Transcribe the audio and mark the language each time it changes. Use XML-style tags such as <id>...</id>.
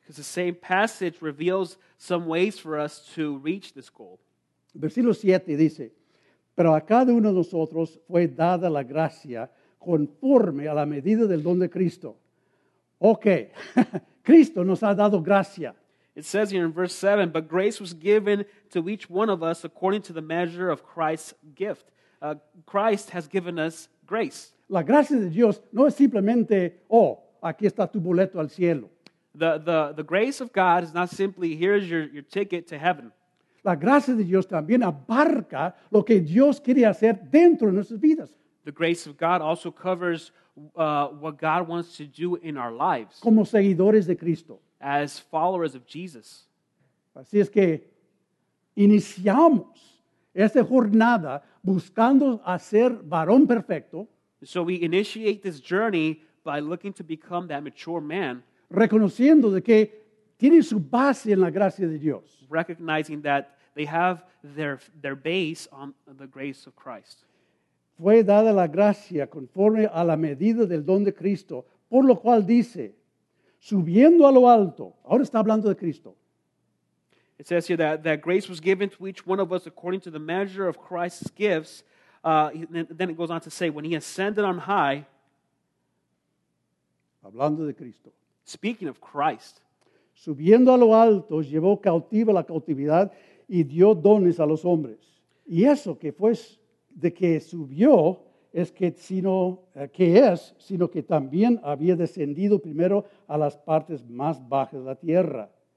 <en>Because the same passage reveals some ways for us to reach this goal.</en> <es>Versículo 7 dice, pero a cada uno de nosotros fue dada la gracia conforme a la medida del don de Cristo. Okay, Cristo nos ha dado gracia.</es> <en>It says here in verse 7, but grace was given to each one of us according to the measure of Christ's gift. Christ has given us grace.</en> <es>La gracia de Dios no es simplemente, oh, aquí está tu boleto al cielo.</es> <en>The grace of God is not simply here's your ticket to heaven.</en> <es>La gracia de Dios también abarca lo que Dios quiere hacer dentro de nuestras vidas.</es> <en>The grace of God also covers what God wants to do in our lives.</en> <es>Como seguidores de Cristo.</es> <en>As followers of Jesus.</en> <es>Así es que iniciamos esta jornada buscando hacer varón perfecto.</es> <en>So we initiate this journey by looking to become that mature man.</en> <es>Reconociendo de que tiene su base en la gracia de Dios.</es> <en>Recognizing that they have their base on the grace of Christ.</en> <es>Fue dada la gracia conforme a la medida del don de Cristo, por lo cual dice, subiendo a lo alto. Ahora está hablando de Cristo.</es> <en>It says here that grace was given to each one of us according to the measure of Christ's gifts. Then it goes on to say, when he ascended on high.</en> <es>Hablando de Cristo.</es> <en>Speaking of Christ.</en> <es>Subiendo a lo alto, llevó cautiva la cautividad y dio dones a los hombres. Y eso que fue de que subió es que sino que también había descendido primero a las partes más bajas de la tierra.</es>